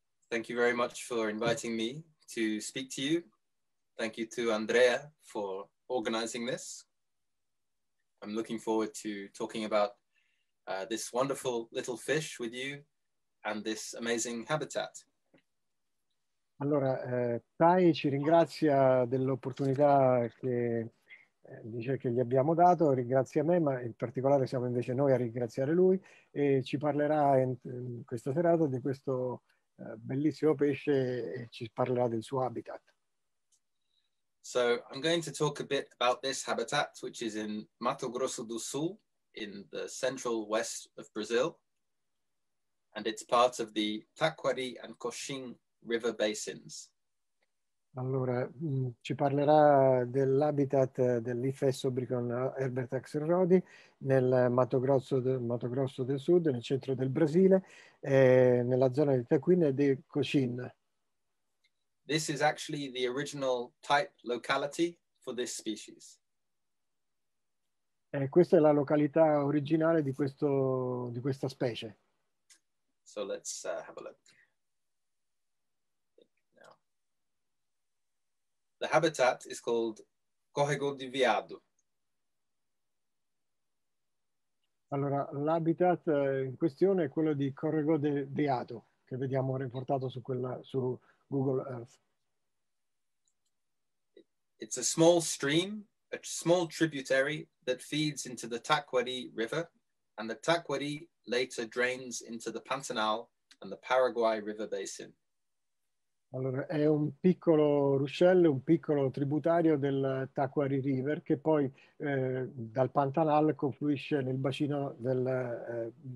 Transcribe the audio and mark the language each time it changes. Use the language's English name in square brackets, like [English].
[English] Thank you very much for inviting me to speak to you. Thank you to Andrea for organizing this. I'm looking forward to talking about this wonderful little fish with you and this amazing habitat. [Italian] Allora, Tai ci ringrazia dell'opportunità che dice che gli abbiamo dato, ringrazia me, ma in particolare siamo invece noi a ringraziare lui e ci parlerà in questa serata di questo bellissimo pesce e ci parlerà del suo habitat. [English] So I'm going to talk a bit about this habitat, which is in Mato Grosso do Sul, in the central west of Brazil. And it's part of the Taquari and Coxim river basins. [Italian] Allora, ci parlerà dell'habitat dell'ifesso bricon herbertaxelrodi nel Mato Grosso del Sud, nel centro del Brasile, nella zona di Taquin e di Coxim. [English] This is actually the original type locality for this species. [Italian] Questa è la località originale di questo di questa specie. [English] So let's have a look. Now. The habitat is called Córrego do Veado. [Italian] Allora, l'habitat in questione è quello di Córrego do Veado, che vediamo riportato su Google Earth. [English] It's a small stream, a small tributary that feeds into the Taquari River, and the Taquari later drains into the Pantanal and the Paraguay River Basin. [Italian] Allora, è un piccolo ruscello, un piccolo tributario del Taquari River che poi dal Pantanal confluisce nel bacino del.